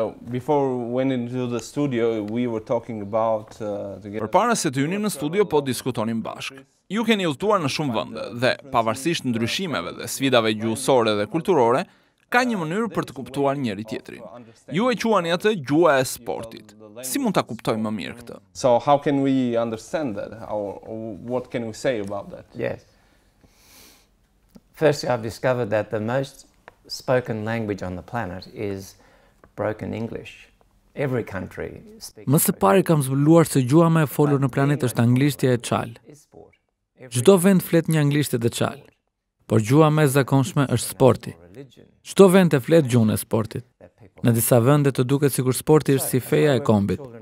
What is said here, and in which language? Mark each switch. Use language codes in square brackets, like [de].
[en] Before we went into the studio, we were talking about together. [sq] Përpara se të vinim në studio po diskutonim bashkë. Ju keni udhëtuar në shumë vende dhe pavarësisht ndryshimeve dhe sfidave gjuhësore dhe kulturore, ka një mënyrë për të kuptuar njëri tjetrin. Ju e quani atë gjuha e sportit. Si mund ta kuptojmë më mirë këtë? [en] So how can we understand that? Or what can we say about that? Yes. Firstly, I've discovered that the most spoken language on the planet is broken English. Every country speaks. [sq] Më së pari kam zbuluar se gjuha më e folur në planet është anglishtja e çal. Çdo vend flet një anglishtë të çal. Por gjuha më e zakonshme është sporti. Çdo vend e flet gjuhën e sportit. Në disa vende të duket sikur sporti është si feja e kombit.